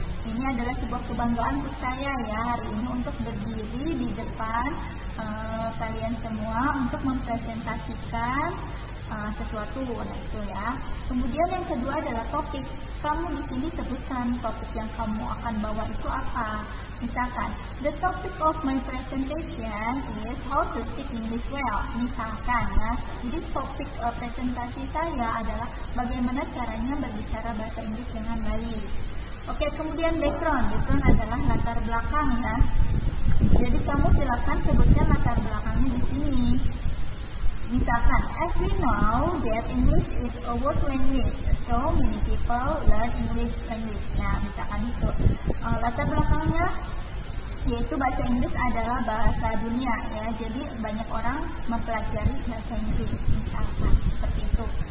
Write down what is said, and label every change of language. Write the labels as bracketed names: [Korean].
[Indonesian] Ini adalah sebuah kebanggaan untuk saya ya hari ini untuk berdiri di depan kalian semua untuk mempresentasikan sesuatu itu ya. Kemudian yang kedua adalah topik. Kamu di sini sebutkan topik yang kamu akan bawa itu apa. [English] Misalkan, the topic of my presentation is how to speak English well. [Indonesian] Misalkan ya, jadi topik presentasi saya adalah bagaimana caranya berbicara bahasa Inggris dengan baik. Oke, kemudian background. Background adalah latar belakang ya. Jadi kamu silakan sebutkan latar belakangnya di sini. [English] Misalkan, as we know that English is a world language, so many people learn English language. [Indonesian] Nah, misalkan itu latar belakangnya, yaitu bahasa Inggris adalah bahasa dunia ya. Jadi banyak orang mempelajari bahasa Inggris, misalkan seperti itu.